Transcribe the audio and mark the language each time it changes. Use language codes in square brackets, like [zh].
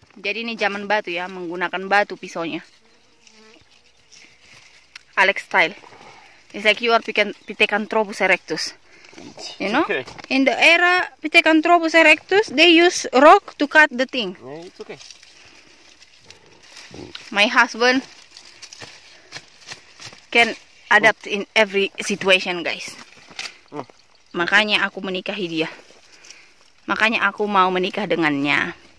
[id] Jadi ini zaman batu ya, menggunakan batu pisaunya. [en] Alex style. It's like you are Pithecanthropus erectus. You know? Okay. In the era Pithecanthropus erectus, they use rock to cut the thing. Yeah, it's okay. My husband can adapt in every situation, guys. [id] Makanya aku menikahi dia. Makanya aku mau menikah dengannya.